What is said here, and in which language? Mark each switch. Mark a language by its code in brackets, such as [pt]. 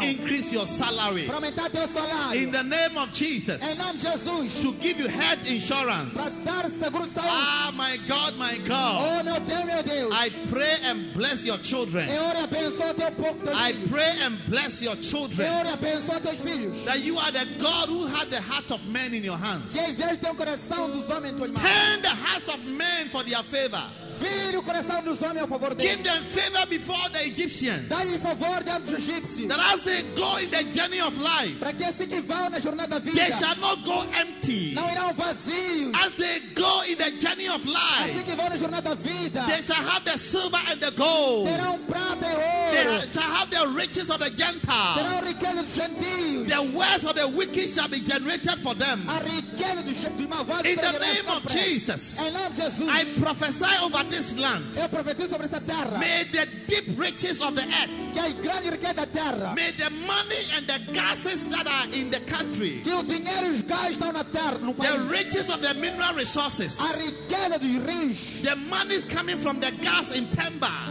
[en] To increase your salary. [pt] Para aumentar teu salário. [en] In the name of Jesus. [pt] Em nome de Jesus. [en] To give you health insurance. Ah, my God, my God. [pt] Oh, meu Deus, meu Deus. [en] I pray and bless your children. [pt] Eu oro e abençoo teu povo, teus filhos. [en] I pray and bless your children. [pt] Eu oro e abençoo teus filhos. [en] That you are the God who had the heart of men in your hands. [pt] Que Deus tem o coração dos homens em tuas mãos. [en] Turn the hearts of men for their favor. [pt] Vire o coração dos homens ao favor deles. [en] Give them favor before the Egyptians. [pt] Dá-lhe favor diante dos egípcios. [en] That as they go in the journey of life. [pt] Para que assim que vão na jornada da vida. [en] They shall not go empty. [pt] Não irão vazios. [en] As they go in the journey of life. [pt] Assim que vão na jornada da vida. [en] They shall have the silver and the gold. [pt] Terão prata e ouro. [en] They shall have the riches of the Gentiles. [pt] Terão riqueza dos gentios. [en] The wealth of the wicked shall be generated for them. [pt] A riqueza dos malvados. [en] In the name of Jesus. [pt] Em nome de Jesus. [en] I prophesy over this land. [pt] Eu profetizo sobre esta terra. [en] May the deep riches of the earth. [pt] Que a grande riqueza da terra. [en] May the money and the gases that are in the country. [pt] Que o dinheiro e os gases estão na terra, no país. [en] The riches of the mineral resources. [pt] A riqueza dos rios. [en] The money is coming from the gas in Pemba.